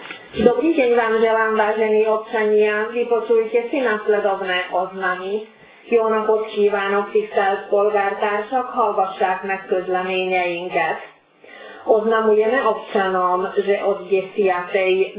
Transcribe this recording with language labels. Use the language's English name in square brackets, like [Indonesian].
[Slovak] Dobrý deň vám želám, vážení občania. Vypočujte si nasledovné oznamy. [Hungarian] Jónak ott kívánok, tisztelt polgártársak, hallgassák meg közleményeinket. [Slovak] Oznamujeme občanom, že od 10.